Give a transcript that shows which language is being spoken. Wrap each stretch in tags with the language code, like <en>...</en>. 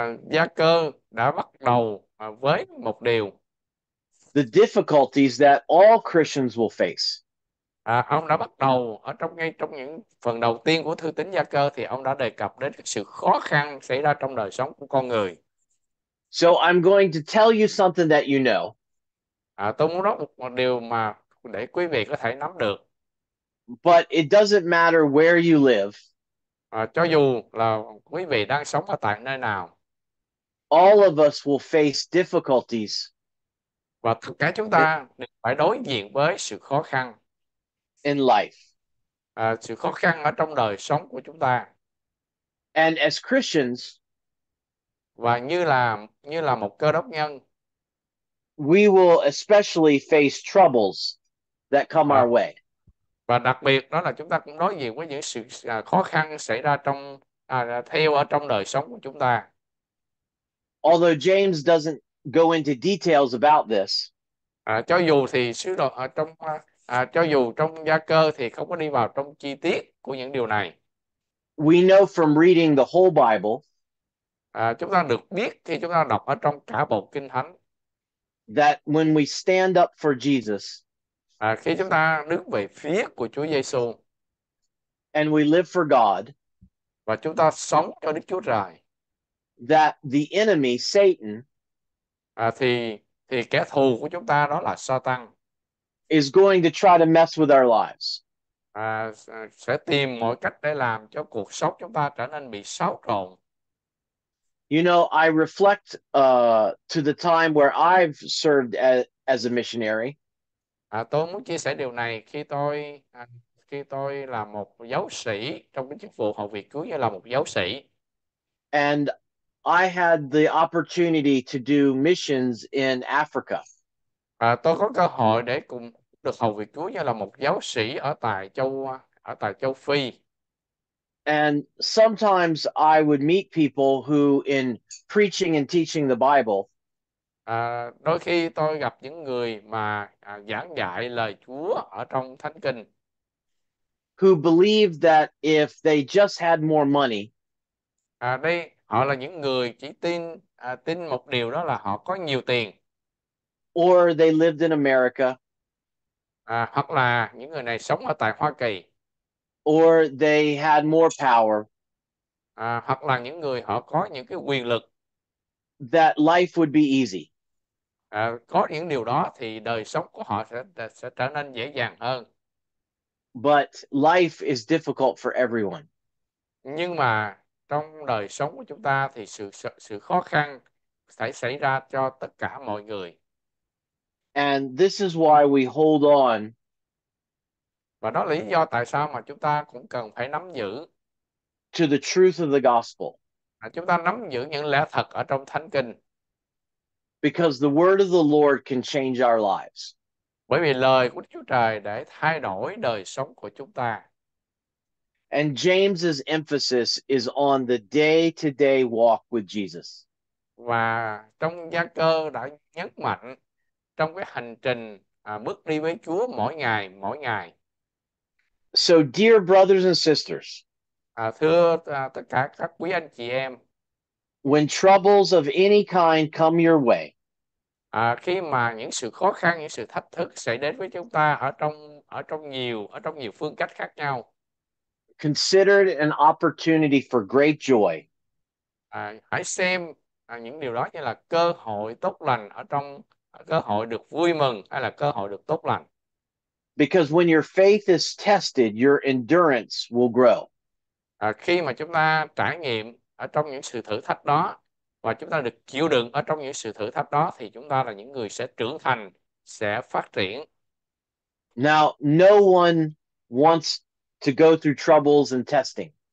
<vi>Gia cơ đã bắt đầu với một điều.</vi> <en>The difficulties that all Christians will face.</en> <vi>Ông đã bắt đầu ở trong ngay trong những phần đầu tiên của thư tín Gia cơ thì ông đã đề cập đến sự khó khăn xảy ra trong đời sống của con người.</vi> <en>So I'm going to tell you something that you know.</en> <vi>Tôi muốn nói một điều mà để quý vị có thể nắm được.</vi> <en>But it doesn't matter where you live.</en> <vi>Cho dù là quý vị đang sống ở tại nơi nào.</vi> <en>All of us will face difficulties.</en> <vi>Và tất cả chúng ta đều phải đối diện với sự khó khăn.</vi> <en>In life.</en> <vi>Sự khó khăn ở trong đời sống của chúng ta.</vi> <en>And as Christians,</en> <vi>và như là một cơ đốc nhân,</vi> <en>we will especially face troubles that come our way.</en> <vi>Và đặc biệt đó là chúng ta cũng đối diện với những sự khó khăn xảy ra trong theo ở trong đời sống của chúng ta.</vi> <en>Although James doesn't go into details about this,</en> <vi>cho dù thì sứ đồ ở trong cho dù trong Gia cơ thì không có đi vào trong chi tiết của những điều này.</vi> <en>We know from reading the whole Bible,</en> <vi>chúng ta được biết khi chúng ta đọc ở trong cả bộ Kinh Thánh,</vi> <en>that when we stand up for Jesus,</en> <vi>khi chúng ta đứng về phía của Chúa Giêsu,</vi> <en>and we live for God,</en> <vi>và chúng ta sống cho Đức Chúa Trời,</vi> <en>that the enemy Satan,</en> <vi>thì kẻ thù của chúng ta đó là Satan,</vi> <en>is going to try to mess with our lives.</en> <vi>Sẽ tìm mọi cách để làm cho cuộc sống chúng ta trở nên bị xáo trộn.</vi> <en>You know, I reflect to the time where I've served as a missionary.</en> <vi>Tôi muốn chia sẻ điều này khi tôi là một giáo sĩ trong cái chức vụ Học Việt Cứu Giới là một giáo sĩ.</vi> <en>And I had the opportunity to do missions in Africa.</en> <vi>Tôi có cơ hội để cùng được Học Việt Cứu Giới là một giáo sĩ ở tại châu Phi.</vi> <en>And sometimes I would meet people who, in preaching and teaching the Bible,</en> <vi>Đôi khi tôi gặp những người mà giảng dạy lời Chúa ở trong Thánh Kinh.</vi> <en>Who believed that if they just had more money,</en> <vi>đây họ là những người chỉ tin tin một điều đó là họ có nhiều tiền.</vi> <en>or they lived in America,</en> <vi>Hoặc là những người này sống ở tại Hoa Kỳ.</vi> <en>or they had more power,</en> <vi>Hoặc là những người họ có những cái quyền lực.</vi> <en>that life would be easy.</en> <vi>Có những điều đó thì đời sống của họ sẽ trở nên dễ dàng hơn.</vi> <en>But life is difficult for everyone.</en> <vi>Nhưng mà trong đời sống của chúng ta thì sự khó khăn sẽ xảy ra cho tất cả mọi người.</vi> <en>And this is why we hold on.</en> <vi>Và đó là lý do tại sao mà chúng ta cũng cần phải nắm giữ</vi> <en>to the truth of the gospel.</en> <vi>Chúng ta nắm giữ những lẽ thật ở trong Thánh Kinh.</vi> <en>Because the word of the Lord can change our lives.</en> <vi>Bởi vì lời của Chúa Trời để thay đổi đời sống của chúng ta.</vi> <en>And James's emphasis is on the day-to-day walk with Jesus.</en> <vi>Và trong Gia cơ đã nhấn mạnh trong cái hành trình bước đi với Chúa mỗi ngày, mỗi ngày.</vi> <en>So, dear brothers and sisters,</en> <vi>thưa tất cả các quý anh chị em,</vi> <en>when troubles of any kind come your way,</en> <vi>khi mà những sự khó khăn, những sự thách thức sẽ đến với chúng ta ở trong nhiều phương cách khác nhau,</vi> <en>consider it an opportunity for great joy.</en> <vi>Hãy xem những điều đó như là cơ hội tốt lành ở trong cơ hội được vui mừng hay là cơ hội được tốt lành.</vi> <en>Because when your faith is tested, your endurance will grow.</en> <vi>Khi mà chúng ta trải nghiệm ở trong những sự thử thách đó và chúng ta được chịu đựng ở trong những sự thử thách đó thì chúng ta là những người sẽ trưởng thành, sẽ phát triển.</vi> <en>Now, no one wants to go through troubles and testing.</en>